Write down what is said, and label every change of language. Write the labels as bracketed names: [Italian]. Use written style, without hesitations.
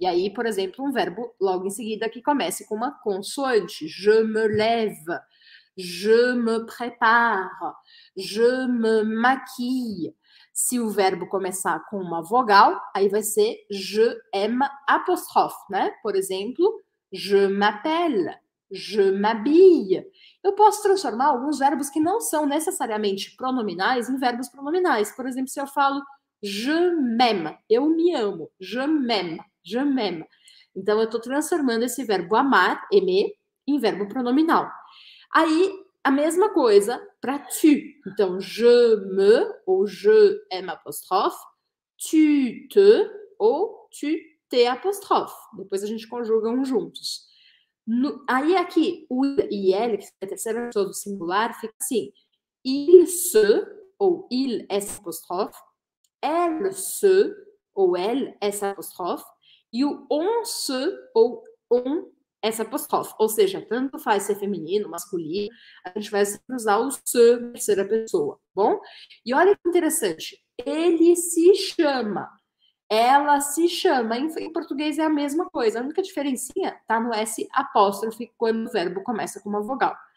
[Portuguese] E aí, por exemplo, um verbo logo em seguida que comece com uma consoante. [French] Je me lève. Je me prépare. Je me maquille. [Portuguese] Se o verbo começar com uma vogal, aí vai ser je m'apostrophe, né? Por exemplo, [French] je m'appelle. Je m'habille. [Portuguese] Eu posso transformar alguns verbos que não são necessariamente pronominais em verbos pronominais. Por exemplo, se eu falo [French] je m'aime, [Portuguese] eu me amo. [French] Je m'aime, je m'aime. [Portuguese] Então, eu estou transformando esse verbo amar, aimer, em verbo pronominal. Aí, a mesma coisa para tu. Então, je me ou je m' apostrophe, tu te ou tu te apostrophe. Depois a gente conjuga um juntos. No, aí aqui, o i e l, que é a terceira pessoa do singular, fica assim. Il se ou il s'apostrophe, elle se ou elle s'apostrophe, e o on se ou on s'apostrophe. Ou seja, tanto faz ser feminino, masculino, a gente vai sempre usar o se na terceira pessoa, bom? E olha que interessante, ele se chama. Ela se chama, em português é a mesma coisa, a única diferencinha está no S apóstrofe quando o verbo começa com uma vogal.